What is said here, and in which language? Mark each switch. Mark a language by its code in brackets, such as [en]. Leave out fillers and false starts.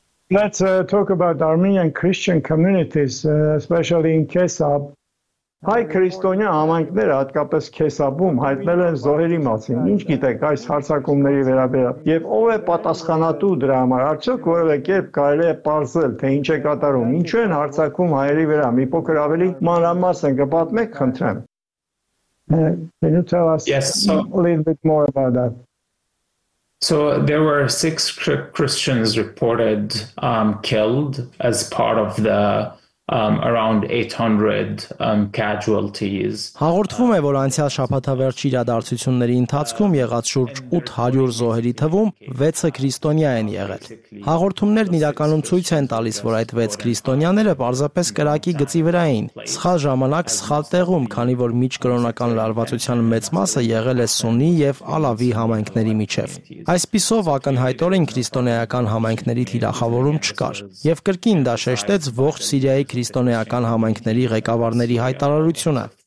[en] Let's talk about Armenian Christian communities, especially in Kesab. [hy] Հայ քրիստոնյա համայնքները, հատկապես Քեսաբում, հայտնել են զոհերի մասին։ Ինչ գիտեք այս հարցակումների վերաբերյալ, և ով է պատասխանատու դրա համար, արդյոք որևէ կերպ կարելի է պարզել, թե ինչ է կատարում, ինչու են հարցակում հայերի վրա, մի փոքր ավելի մանրամասն են կպատմեք, խնդրեմ։ [en] Can you tell us a little bit more about that? So there were 6 Christians reported killed as part of the Around 800 casualties. [hy] Հաղորդվում է, որ անցյալ շաբաթավերջ իրադարձությունների ընթացքում եղած շուրջ 800 զոհերի թվում 6-ը քրիստոնյա են եղել։ Հաղորդումներն իրականում ցույց են տալիս, որ այդ 6 քրիստոնյաները պարզապես կրակի գծի վրա էին, սխալ ժամանակ, սխալ տեղում, քանի որ միջկրոնական լարվածության մեծ մասը եղել է Սուննի և Ալավի համայնքների միջև։ Այսպիսով ակնհայտ էր, քրիստոնեական համայնքների թիրախավորում չկար, և կրկին դա շեշտեց ողջ Սիրիայի քրիստոնեական համայնքների ղեկավարների հայտարարությունը։